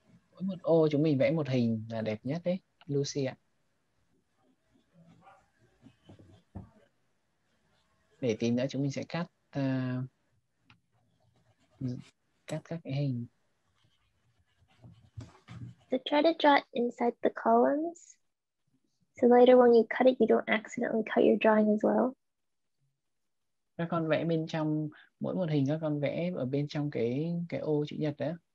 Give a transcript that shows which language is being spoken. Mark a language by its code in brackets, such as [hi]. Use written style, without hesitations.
[vi] Mỗi một ô chúng mình vẽ một hình là đẹp nhất đấy, Lucy ạ. Để tí nữa chúng mình sẽ cắt cắt các cái hình. [en] So try to draw it inside the columns. So later when you cut it, you don't accidentally cut your drawing as well. [vi] Các con vẽ bên trong mỗi một hình, các con vẽ ở bên trong cái ô chữ nhật đó.